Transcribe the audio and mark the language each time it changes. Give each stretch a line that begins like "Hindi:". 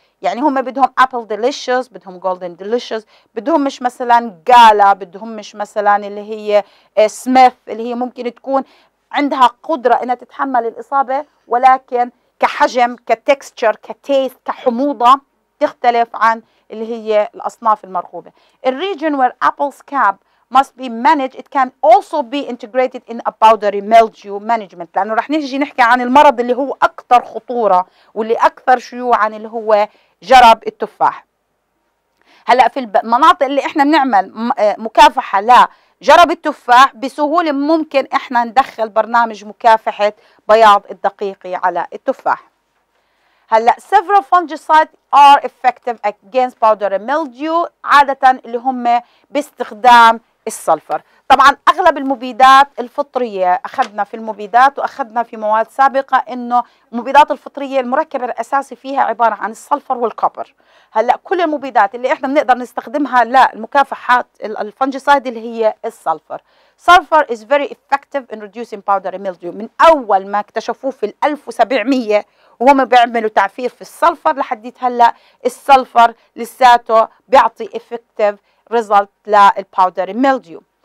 Arabic: يعني هم بدهم ابل ديليشيوس، بدهم جولدن ديليشيوس، بدهم مش مثلا جالا، بدهم مش مثلا اللي هي سميث اللي هي ممكن تكون عندها قدره انها تتحمل الاصابه، ولكن كحجم كتكستشر كتيست كحموضه تختلف عن اللي هي الاصناف المرغوبه.
English: الريجن where apple scab must be managed it can also be integrated in a powdery mildew management.
Arabic: لانه رح نيجي نحكي عن المرض اللي هو اكثر خطوره واللي اكثر شيوعا اللي هو جرب التفاح. هلا في المناطق اللي احنا بنعمل مكافحه لجرب التفاح بسهوله ممكن احنا ندخل برنامج مكافحه بياض الدقيقي على التفاح.
English: هلا several fungicides are effective against powdery mildew
Arabic: عادة اللي هم باستخدام السلفر. طبعا اغلب المبيدات الفطرية اخذنا في المبيدات واخذنا في مواد سابقة انه المبيدات الفطرية المركب الاساسي فيها عبارة عن السلفر والكوبر. هلا كل المبيدات اللي احنا بنقدر نستخدمها للمكافحات الفنجيسايد اللي هي السلفر.
English: Sulfur is very effective in reducing powdery mildew.
Arabic: من اول ما اكتشفوه في 1700 وهم بيعملوا تعفير في السلفر لحديت هلا السلفر لساته بيعطي effective result للpowdery mildew.